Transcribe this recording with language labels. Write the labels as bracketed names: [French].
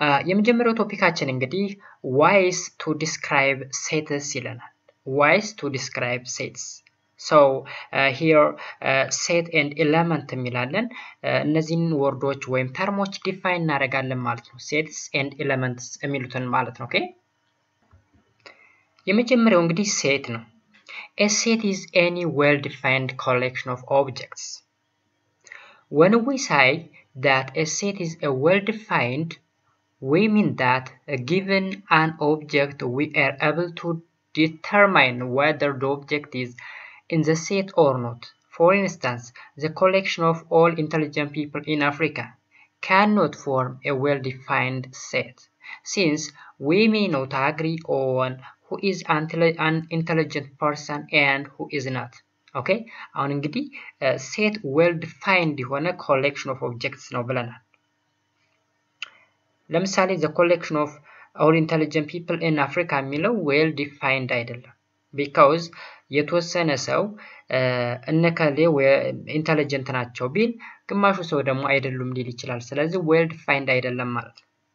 [Amharic] የመጀመሪያው ቶፒካችን እንግዲህ [English] ways to describe sets [Amharic] ይለናል። [English] ways to describe sets So here set and element [Amharic] ሚላለን። እነዚህን ወርዶች ወይም ተርሞች ዲፋይን እናደርጋለን ማለት ነው። [English] sets and elements [Amharic] ሚሉትን ማለት ነው። ኦኬ የመጀመሪያው እንግዲህ [English] set ነው። a set is any well defined collection of objects. when we say that a set is a well defined, we mean that given an object we are able to determine whether the object is in the set or not. For instance, the collection of all intelligent people in Africa cannot form a well-defined set, since we may not agree on who is an intelligent person and who is not. Okay? [Amharic] አሁን እንግዲህ set well-defined የሆነ collection of objects ነው ብለናል። ለምሳሌ [English] the collection of all intelligent people in Africa [Amharic] የሚለው well-defined አይደለም because የተወሰነ ሰው እነከሌ ወይ ኢንተለጀንት ናቸው ቢል ግማሹ ሰው ደግሞ አይደሉም ሊል ይችላል። ስለዚህ ዌልድ ፋይንድ አይደለም ማለት ነው።